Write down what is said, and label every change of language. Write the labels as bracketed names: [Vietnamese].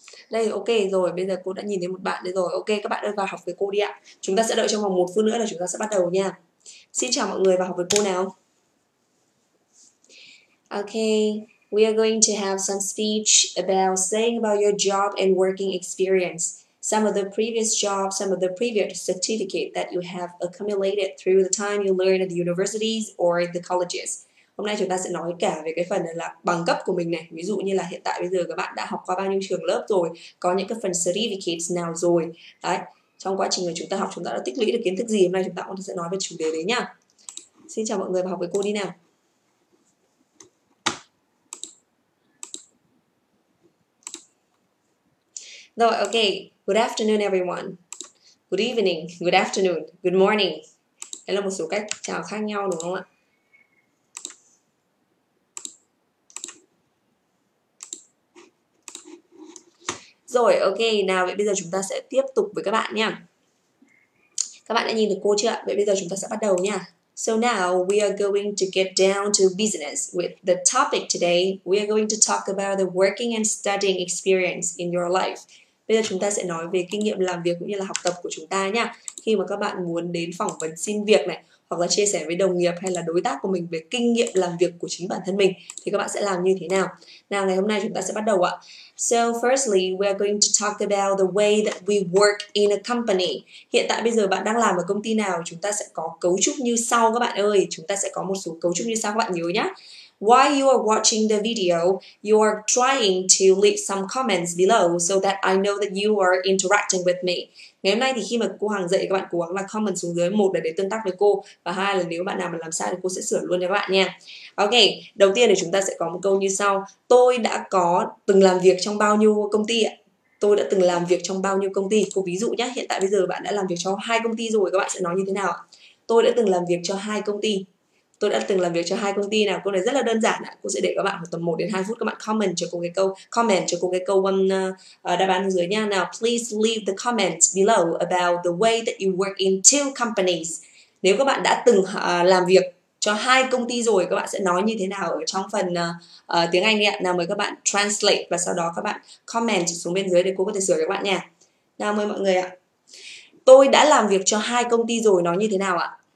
[Vietnamese] Đây, ok rồi, bây giờ cô đã nhìn thấy một bạn đây rồi. Ok, các bạn ơi, vào học với cô đi ạ. Chúng ta sẽ đợi trong vòng 1 phút nữa là chúng ta sẽ bắt đầu nha. Xin chào mọi người, vào học với cô nào. [English] Ok, we are going to have some speech about saying about your job and working experience, some of the previous jobs, some of the previous certificate that you have accumulated through the time you learn at the universities or the colleges. [Vietnamese] Hôm nay chúng ta sẽ nói cả về cái phần là bằng cấp của mình này. Ví dụ như là hiện tại bây giờ các bạn đã học qua bao nhiêu trường lớp rồi, có những cái phần certificates nào rồi. Đấy, trong quá trình mà chúng ta học chúng ta đã tích lũy được kiến thức gì. Hôm nay chúng ta cũng sẽ nói về chủ đề đấy nha. Xin chào mọi người, vào học với cô đi nào. [English] Rồi, ok. Good afternoon everyone. Good evening, good afternoon, good morning. [Vietnamese] Đây là một số cách chào khác nhau đúng không ạ? Rồi, ok, nào vậy bây giờ chúng ta sẽ tiếp tục với các bạn nha. Các bạn đã nhìn được cô chưa ạ? Vậy bây giờ chúng ta sẽ bắt đầu nha. [English] So now we are going to get down to business with the topic today. We are going to talk about the working and studying experience in your life. [Vietnamese] Bây giờ chúng ta sẽ nói về kinh nghiệm làm việc cũng như là học tập của chúng ta nha. Khi mà các bạn muốn đến phỏng vấn xin việc này, hoặc là chia sẻ với đồng nghiệp hay là đối tác của mình về kinh nghiệm làm việc của chính bản thân mình thì các bạn sẽ làm như thế nào? Nào, ngày hôm nay chúng ta sẽ bắt đầu ạ. [English] So firstly, we are going to talk about the way that we work in a company. [Vietnamese] Hiện tại bây giờ bạn đang làm ở công ty nào? Chúng ta sẽ có cấu trúc như sau các bạn ơi. Chúng ta sẽ có một số cấu trúc như sau các bạn nhớ nhé. [English] While you are watching the video, you are trying to leave some comments below so that I know that you are interacting with me. [Vietnamese] Ngày hôm nay thì khi mà cô Hằng dạy, các bạn cố gắng là comment xuống dưới, một là để tương tác với cô, và hai là nếu bạn nào mà làm sai thì cô sẽ sửa luôn cho các bạn nha. Ok, đầu tiên thì chúng ta sẽ có một câu như sau. Tôi đã có từng làm việc trong bao nhiêu công ty ạ? Tôi đã từng làm việc trong bao nhiêu công ty? Cô ví dụ nhé, hiện tại bây giờ bạn đã làm việc cho hai công ty rồi, các bạn sẽ nói như thế nào ạ? Tôi đã từng làm việc cho hai công ty. Tôi đã từng làm việc cho hai công ty nào? Câu này rất là đơn giản ạ. Cô sẽ để các bạn khoảng tầm 1 đến 2 phút, các bạn comment cho cô cái câu đáp án dưới nha. [English] Nào, please leave the comments below about the way that you work in two companies. [Vietnamese] Nếu các bạn đã từng làm việc cho hai công ty rồi, các bạn sẽ nói như thế nào ở trong phần tiếng Anh ạ? Nào mời các bạn translate và sau đó các bạn comment xuống bên dưới để cô có thể sửa cho các bạn nha. Nào mời mọi người ạ. Tôi đã làm việc cho hai công ty rồi, nói như thế nào ạ?